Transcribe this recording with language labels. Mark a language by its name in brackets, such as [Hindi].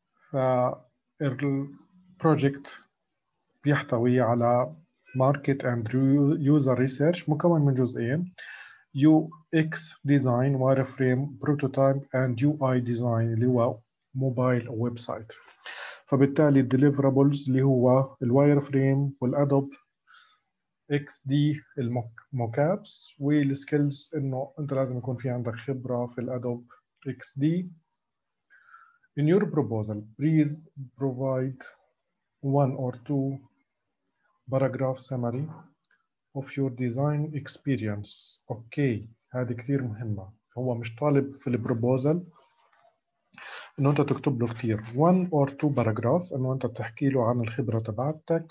[Arabic] فالبروجكت بيحتوي على ماركت أند يوزر ريسيرش، مكون من جزئين: UX ديزاين وايرفريم بروتوتايب أند UI ديزاين اللي هو موبايل ويب سايت. فبالتالي الديليفرابلز اللي هو الوايرفريم والأدوب XD الموكابس، والسكيلز انه انت لازم يكون في عندك خبرة في الادوب XD. [English] In your proposal, please provide one or two paragraph summary of your design experience. [Arabic] اوكي، هذه كثير مهمة. هو مش طالب في البروبوزل انه انت تكتب له كثير، [English] one or two paragraphs [Arabic] انه انت تحكي له عن الخبرة تبعتك.